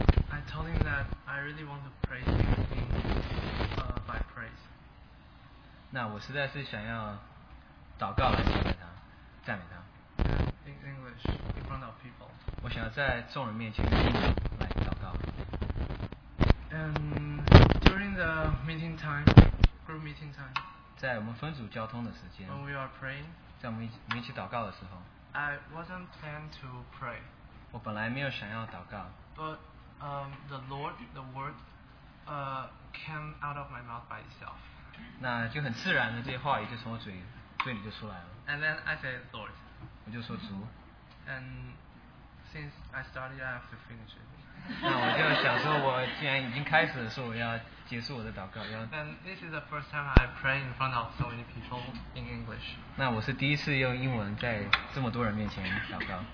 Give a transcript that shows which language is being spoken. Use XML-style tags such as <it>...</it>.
<en>I told him that I really want to praise him by praise.</en> <zh>那我实在是想要祷告来赞美他，赞美他。</zh> <en>In English, in front of people.</en> <zh>我想要在众人面前用英文来祷告。</zh> <en>And during the meeting time, group meeting time.</en> <zh>在我们分组交通的时间。</zh> <en>When we are praying.</en> <zh>在我们一起祷告的时候。</zh> <en>I wasn't planned to pray.</en> <zh>我本来没有想要祷告。</zh> <en>But the Lord, the word, came out of my mouth by itself.</en> <zh>那就很自然的，这些话语就从我嘴里就出来了。</zh> <en>And then I said, Lord.</en> <zh>我就说足。</zh> <en>And since I started, I have to finish it.</en> <zh>那我就想说，我既然已经开始了，说我要结束我的祷告。</zh> <en>And this is the first time I pray in front of so many people in English.</en> <zh>那我是第一次用英文在这么多人面前祷告。</zh>